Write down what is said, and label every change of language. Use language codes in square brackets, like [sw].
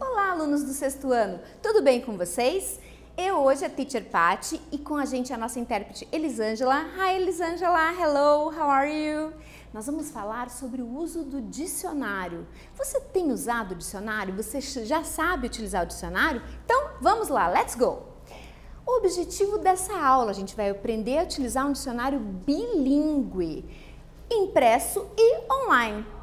[pt] alunos do sexto ano, tudo bem com vocês? Eu hoje a teacher Patty e com a gente a nossa intérprete Elisângela. [en] Hi Elisângela, hello, how are you? [pt] Nós vamos falar sobre o uso do dicionário. Você tem usado o dicionário? Você já sabe utilizar o dicionário? Então vamos lá, [en] let's go! [pt] O objetivo dessa aula, a gente vai aprender a utilizar um dicionário bilíngue, impresso e online.